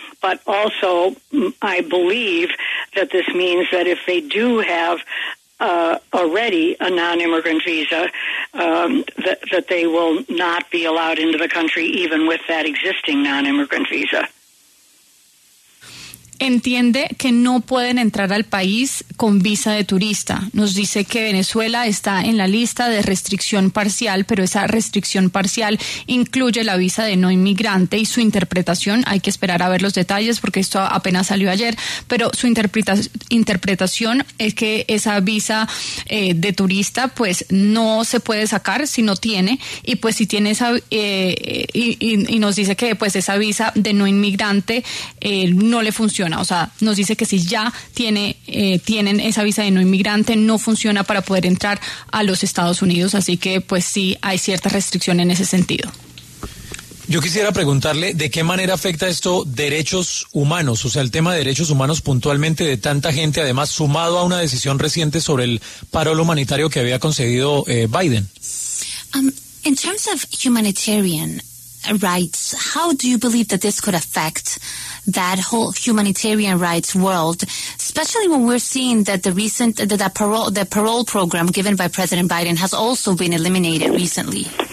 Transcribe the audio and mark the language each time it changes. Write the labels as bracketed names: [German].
[English] But also, I believe that this means that if they do have already a non-immigrant visa, that they will not be allowed into the country even with that existing non-immigrant visa. [Spanish] Entiende que no pueden entrar al país con visa de turista. Nos dice que Venezuela está en la lista de restricción parcial, pero esa restricción parcial incluye la visa de no inmigrante y su interpretación, hay que esperar a ver los detalles porque esto apenas salió ayer, pero su interpretación es que esa visa de turista pues no se puede sacar si no tiene, y pues si tiene esa y nos dice que pues esa visa de no inmigrante no le funciona. O sea, nos dice que si ya tienen esa visa de no inmigrante, no funciona para poder entrar a los Estados Unidos. Así que, pues sí, hay cierta restricción en ese sentido. Yo quisiera preguntarle, ¿de qué manera afecta esto derechos humanos? O sea, el tema de derechos humanos puntualmente de tanta gente, además sumado a una decisión reciente sobre el paro humanitario que había concedido Biden. [English] In terms of humanitarian rights, how do you believe that this could affect that whole humanitarian rights world, especially when we're seeing that the parole program given by President Biden has also been eliminated recently?